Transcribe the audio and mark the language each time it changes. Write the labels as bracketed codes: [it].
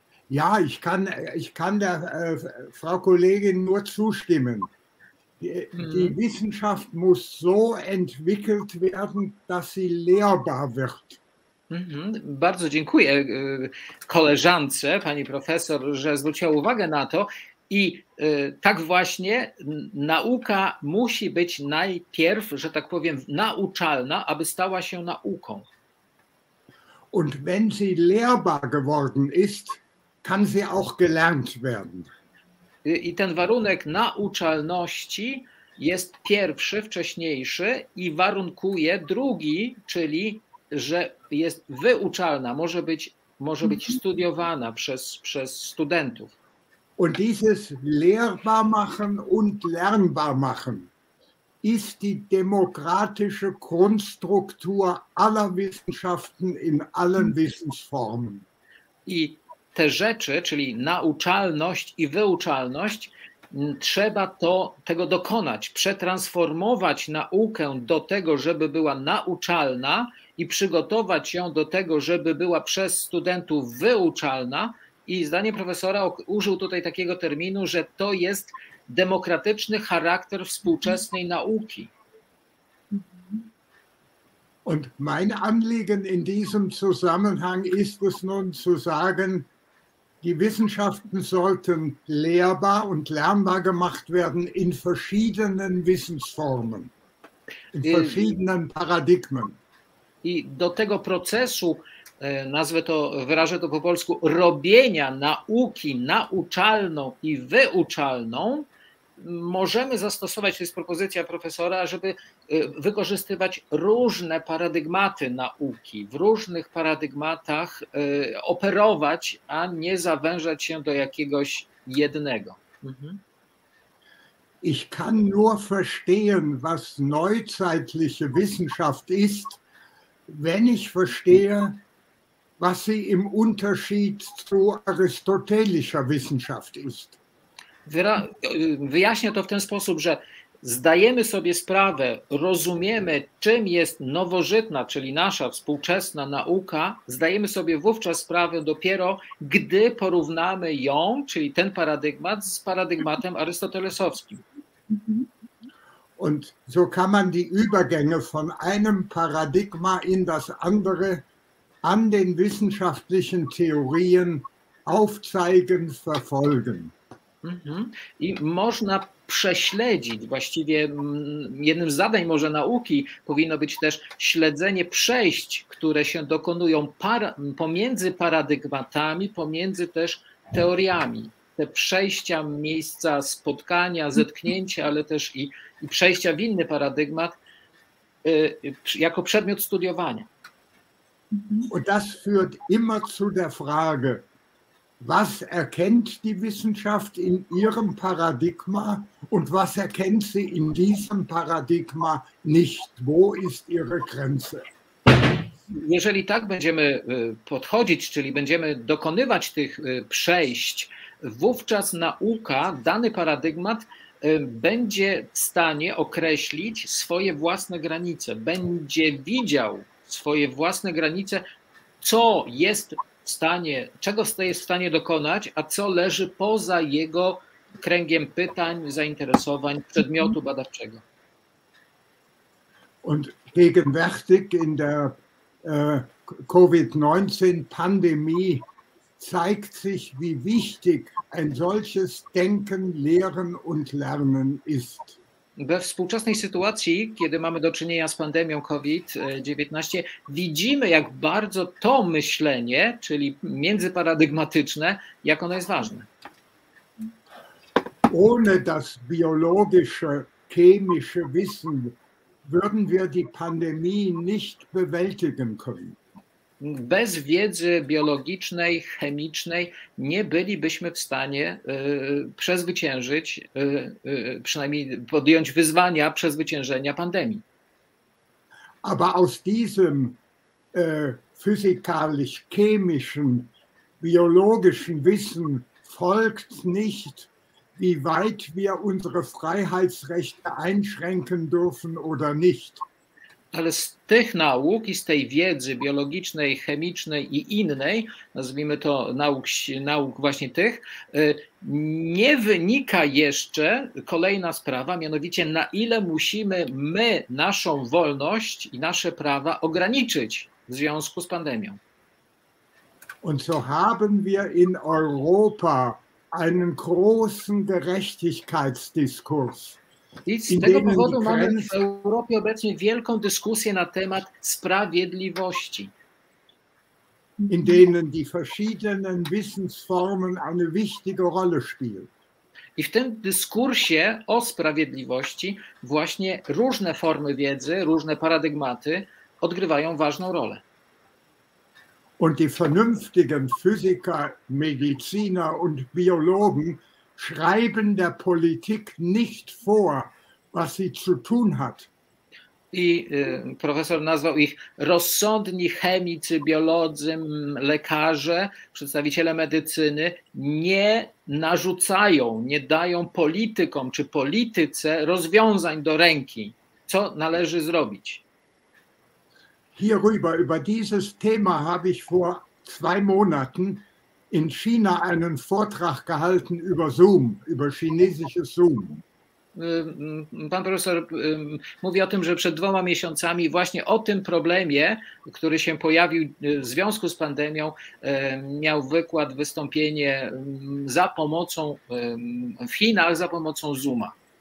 [de] Ja, ich kann der Frau Kollegin nur zustimmen. Die Wissenschaft muss so entwickelt werden, dass sie lehrbar wird. [pl] Bardzo dziękuję koleżance, pani profesor, że zwróciła uwagę na to. I tak właśnie nauka musi być najpierw, że tak powiem, nauczalna, aby stała się nauką. [de] Und wenn sie lehrbar geworden ist, kann sie auch gelernt werden. [pl] I ten warunek nauczalności jest pierwszy, wcześniejszy i warunkuje drugi, czyli że jest wyuczalna, może być może być studiowana przez studentów. [de] Und dieses lehrbar machen und lernbar machen ist die demokratische Grundstruktur aller Wissenschaften in allen Wissensformen. [pl] I te rzeczy, czyli nauczalność i wyuczalność, trzeba to, tego dokonać, przetransformować naukę do tego, żeby była nauczalna i przygotować ją do tego, żeby była przez studentów wyuczalna. I zdanie profesora użył tutaj takiego terminu, że to jest demokratyczny charakter współczesnej nauki. [de] Und mein Anliegen in diesem Zusammenhang ist es nun zu sagen, die Wissenschaften sollten lehrbar und lernbar gemacht werden in verschiedenen Wissensformen, in verschiedenen Paradigmen. [pl] I do tego procesu, nazwę to, wyrażę to po polsku, robienia nauki nauczalną i wyuczalną, możemy zastosować, to jest propozycja profesora, żeby wykorzystywać różne paradygmaty nauki, w różnych paradygmatach operować, a nie zawężać się do jakiegoś jednego. [de] Ich kann nur verstehen, was neuzeitliche Wissenschaft ist, wenn ich verstehe, was sie im Unterschied zu aristotelischer Wissenschaft ist. [pl] Wyjaśnia to w ten sposób, że zdajemy sobie sprawę, rozumiemy, czym jest nowożytna, czyli nasza współczesna nauka, zdajemy sobie wówczas sprawę dopiero, gdy porównamy ją, czyli ten paradygmat, z paradygmatem arystotelesowskim. [de] Und so kann man die Übergänge von einem Paradigma in das andere an den wissenschaftlichen Theorien aufzeigen, verfolgen. [pl] I można prześledzić, właściwie jednym z zadań może nauki powinno być też śledzenie przejść, które się dokonują pomiędzy paradygmatami, pomiędzy też teoriami. Te przejścia, miejsca spotkania, zetknięcia, ale też i przejścia w inny paradygmat jako przedmiot studiowania. [de] Und das führt immer zu der Frage, was erkennt die Wissenschaft in ihrem Paradigma und was erkennt sie in diesem Paradigma nicht? Wo ist ihre Grenze? [pl] Jeżeli tak będziemy podchodzić, czyli będziemy dokonywać tych przejść, wówczas nauka, dany paradygmat będzie w stanie określić swoje własne granice, będzie widział swoje własne granice, co jest w stanie, czego jest w stanie dokonać, a co leży poza jego kręgiem pytań, zainteresowań, przedmiotu badawczego. [de] Und gegenwärtig in der COVID-19 Pandemie zeigt sich, wie wichtig ein solches Denken, Lehren und Lernen ist. [pl] We współczesnej sytuacji, kiedy mamy do czynienia z pandemią COVID-19, widzimy, jak bardzo to myślenie, czyli międzyparadygmatyczne, jak ono jest ważne. [de] Ohne das biologische, chemische Wissen würden wir die Pandemie nicht bewältigen können. [pl] Bez wiedzy biologicznej, chemicznej nie bylibyśmy w stanie przezwyciężyć, przynajmniej podjąć wyzwania przezwyciężenia pandemii. [de] Aber aus diesem physikalisch-chemischen, biologischen Wissen folgt nicht, wie weit wir unsere Freiheitsrechte einschränken dürfen oder nicht. [pl] Ale z tych nauk i z tej wiedzy biologicznej, chemicznej i innej, nazwijmy to nauk właśnie tych, nie wynika jeszcze kolejna sprawa, mianowicie na ile musimy my naszą wolność i nasze prawa ograniczyć w związku z pandemią. [de] Und so haben wir in Europa einen großen Gerechtigkeitsdiskurs. [pl] I z tego powodu mamy w Europie obecnie wielką dyskusję na temat sprawiedliwości. [de] In denen die verschiedenen Wissensformen eine wichtige Rolle spielen. [pl] I w tym dyskursie o sprawiedliwości właśnie różne formy wiedzy, różne paradygmaty odgrywają ważną rolę. [de] Und die vernünftigen Physiker, Mediziner und Biologen schreiben der Politik nicht vor, was sie zu tun hat. [pl] I profesor nazwał ich rozsądni chemicy, biolodzy, lekarze, przedstawiciele medycyny nie narzucają, nie dają politykom czy polityce rozwiązań do ręki, co należy zrobić. [de] Hierüber, über dieses Thema habe ich vor 2 Monaten in China einen Vortrag gehalten über Zoom, über chinesisches Zoom. [pl] Pan profesor mówi o tym, że przed 2 miesiącami właśnie o tym problemie, który się pojawił w związku z pandemią, miał wykład, wystąpienie za pomocą, w Chinach za pomocą Zooma.